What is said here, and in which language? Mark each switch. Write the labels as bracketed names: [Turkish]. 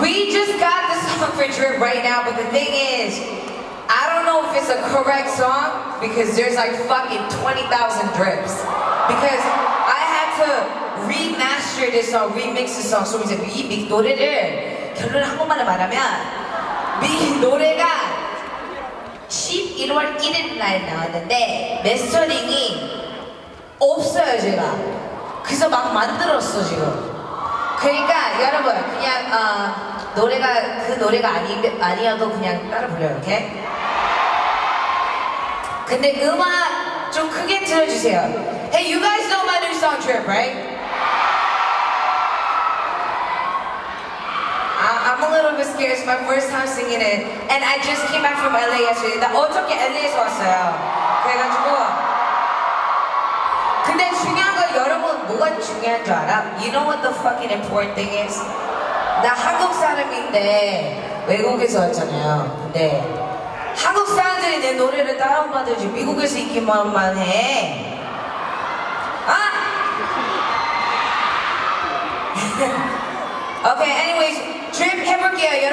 [English] We just got the song for Drip right now, but the thing is. I don't know if it's a correct song because there's like fucking 20,000 drips. Because I had to remaster this song, remix this song. [Korean] So 이제 이 노래를 결론을 한 번만 말하면 이 노래가 11월 1일 날 나왔는데 메스터링이 없어요 제가. 그래서 막 만들었어 지금. 그러니까 여러분 그냥 노래가 그 노래가 아니어도 그냥 따라 불러요, 오케이? 근데 음악 좀 크게 틀어주세요. [English] Hey, you guys know my new song Drip, right? I'm a little bit scared. It's my first time singing it. And I just came back from LA yesterday. [Korean] 나 어떻게 LA에서 왔어요. 그래가지고. 근데 중요한 거 여러분 뭐가 중요한 줄 알아? [English] You know what the fucking important thing is? [Korean] 나 한국 사람인데 외국에서 왔잖아요. 근데 한국 사람들이 내 노래를 따라오면 미국에서 있기만 해. 아! [English] Okay, anyways, Drip [Korean] 해볼게요.